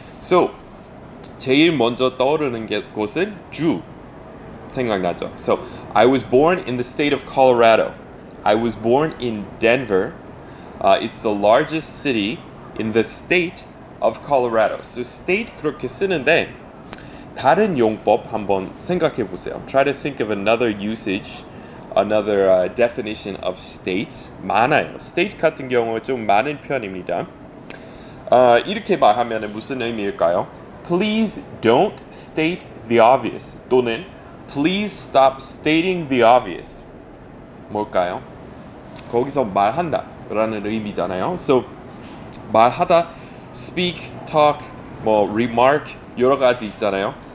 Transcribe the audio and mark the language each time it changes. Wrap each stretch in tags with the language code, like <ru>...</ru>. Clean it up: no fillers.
<ko>So 제일 먼저 떠오르는 곳은 주 생각나죠.</ko> <en>So I was born in the state of Colorado. I was born in Denver. It's the largest city in the state of Colorado.</en> <ko>So state 그렇게 쓰는데 다른 용법 한번 생각해 보세요.</ko> <en>Try to think of another usage, another definition of states.</en> <ko>많아요. State 같은 경우 좀 많은 편입니다. 이렇게 말하면 무슨 의미일까요?</ko> <en>Please don't state the obvious.</en> <ko>또는</ko> <en>please stop stating the obvious.</en> <ko>뭘까요? 거기서 말한다 라는 의미잖아요. So 말하다,</ko> <en>speak, talk,</en> <ko>뭐 remark 여러 가지 있잖아요.</ko>